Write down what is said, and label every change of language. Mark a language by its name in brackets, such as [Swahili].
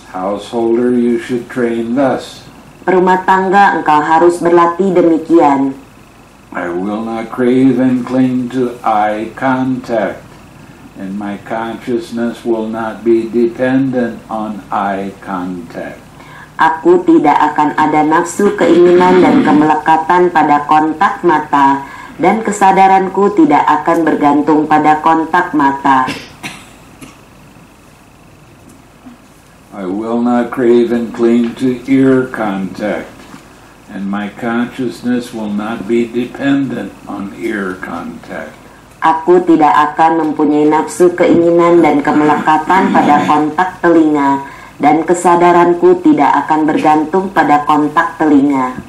[English] Householder, you should train thus. [Indonesian] rumah tangga engkau harus berlatih demikian. [English] I will not crave and cling to eye contact, and my consciousness will not be dependent on eye contact. [Indonesian] Aku tidak akan ada nafsu keinginan dan kemelekatan pada kontak mata, dan kesadaranku tidak akan bergantung pada kontak mata. [English] I will not crave and cling to ear contact, and my consciousness will not be dependent on ear contact. [Indonesian] Aku tidak akan mempunyai nafsu keinginan dan kemelekatan pada kontak telinga, dan kesadaranku tidak akan bergantung pada kontak telinga.